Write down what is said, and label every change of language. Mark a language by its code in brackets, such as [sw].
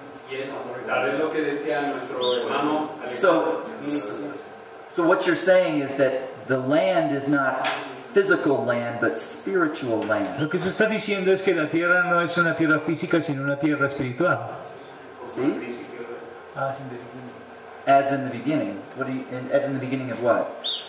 [es] Y es tal vez lo que decía nuestro hermano. [en] So what you're saying is that the land is not physical land, but spiritual land. [es] Lo que se está diciendo es que la tierra no es una tierra física, sino una tierra espiritual. [en] See? As in the beginning. As in the beginning. What do you, and as in the beginning of what?